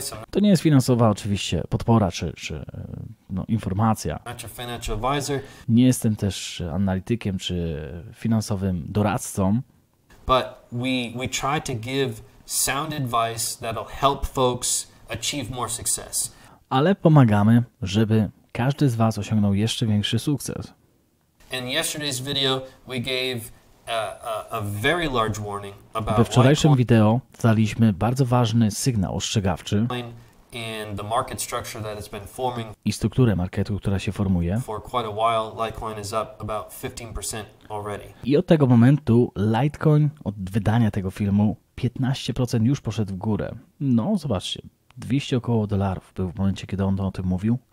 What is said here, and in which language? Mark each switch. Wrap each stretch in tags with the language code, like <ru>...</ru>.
<pl>To nie jest finansowa oczywiście podpora czy informacja. Nie jestem też analitykiem czy finansowym doradcą.</pl> <en>But we try to give sound advice that'll help folks achieve more success.</en> <pl>Ale pomagamy, żeby każdy z was osiągnął jeszcze większy sukces.</pl> <en>In yesterday's video we gave a very large warning about.</en> <pl>We wczorajszym wideo daliśmy bardzo ważny sygnał ostrzegawczy.</pl> <en>And the market structure that has been forming.</en> <pl>I strukturę marketu, która się formuje.</pl> <en>For quite a while, Litecoin is up about 15% already.</en> <pl>I od tego momentu Litecoin, od wydania tego filmu, 15% już poszedł w górę. No, zobaczcie, 200 około dolarów był w momencie, kiedy on o tym mówił.</pl>